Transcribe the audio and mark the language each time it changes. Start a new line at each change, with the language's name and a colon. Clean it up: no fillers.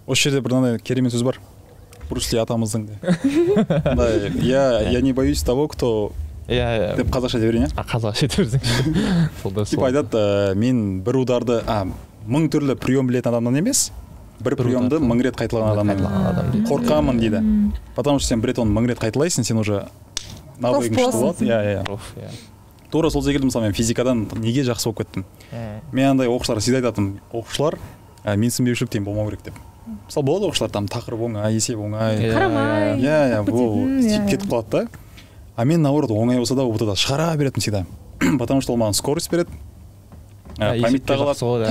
Kazakh: Осы жерде бір мынандай керемет сөз бар. Брюс Ли атамыздың да.
Russian: Я не боюсь того, кто.
Kazakh: Деп қазақша деп берейін, а қазақша деп берсең. Типа айтады, мен бір ударды, мың түрлі прием білетін адамнан емес, бір приемді мың рет қайталаған адамнан қорқамын дейді.
Russian: Потому что
Kazakh: сен бір рет оны мың рет қайталайсың, сен уже навыгың күшті болады. Тура сол жерге келдім, мысалы мен физикадан неге жақсы болып кеттім. Мен андай оқушылар, сізді айтатын оқушылар, менсінбеушілік деген болмау керек деп. Мысалы болады оқушылар, там тақырып оңай, есеп оңай. Қарамай. Сөйтіп кетіп қалады да. А мен
Russian: наоборот
Kazakh: оңай болса да ұбт-да шығара беретін
Russian: всегда, потому что
Kazakh: ол маған скорость береді, памятьта қалады,